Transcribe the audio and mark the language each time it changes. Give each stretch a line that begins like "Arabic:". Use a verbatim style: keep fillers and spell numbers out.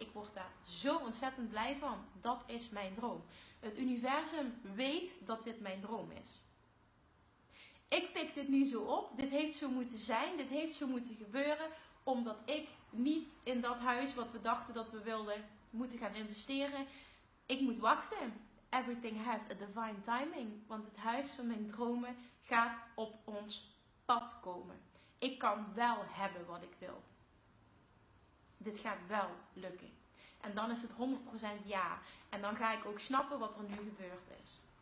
Dutch: Ik word daar zo ontzettend blij van. Dat is mijn droom. Het universum weet dat dit mijn droom is. Ik pik dit nu zo op. Dit heeft zo moeten zijn. Dit heeft zo moeten gebeuren. Omdat ik niet in dat huis wat we dachten dat we wilden moeten gaan investeren. Ik moet wachten.
English: Everything has a divine timing.
Dutch: Want het huis van mijn dromen gaat op ons pad komen. Ik kan wel hebben wat ik wil. Dit gaat wel lukken. En dan is het honderd procent ja. En dan ga ik ook snappen wat er nu gebeurd is.